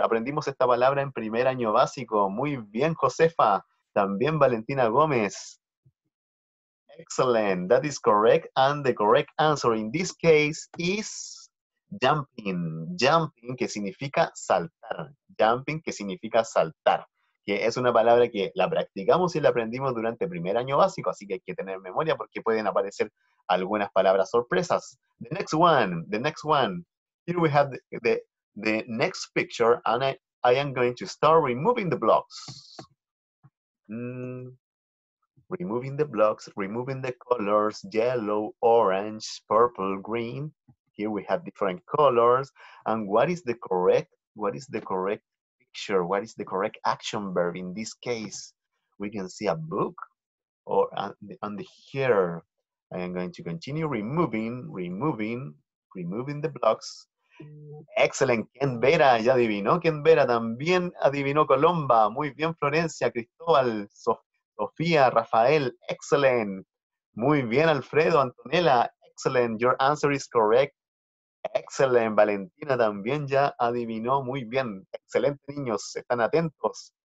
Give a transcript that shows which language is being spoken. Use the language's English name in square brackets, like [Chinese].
[Spanish] Aprendimos esta palabra en primer año básico. Muy bien, Josefa. También [English] Valentina Gómez. Excellent. That is correct. And the correct answer in this case is jumping. [Spanish] Jumping, que significa saltar. Jumping, que significa saltar. Que es una palabra que la practicamos y la aprendimos durante el primer año básico, así que hay que tener memoria porque pueden aparecer algunas palabras sorpresas. [English] The next one. Here we have the next picture, and I am going to start removing the blocks. Removing the blocks, removing the colors, yellow, orange, purple, green. Here we have different colors. And what is the correct picture? What is the correct action verb in this case? We can see a book or on the here. I am going to continue removing the blocks. Excellent, [Spanish] Ken Vera ya adivinó, Ken Vera también adivinó Colomba. Muy bien, Florencia, Cristóbal, Sofía, Rafael, [English] excellent. [Spanish] Muy bien, [English] Alfredo, Antonella, excellent. Your answer is correct. Excellent, [Spanish] Valentina también ya adivinó. Muy bien, excelente, niños, están atentos.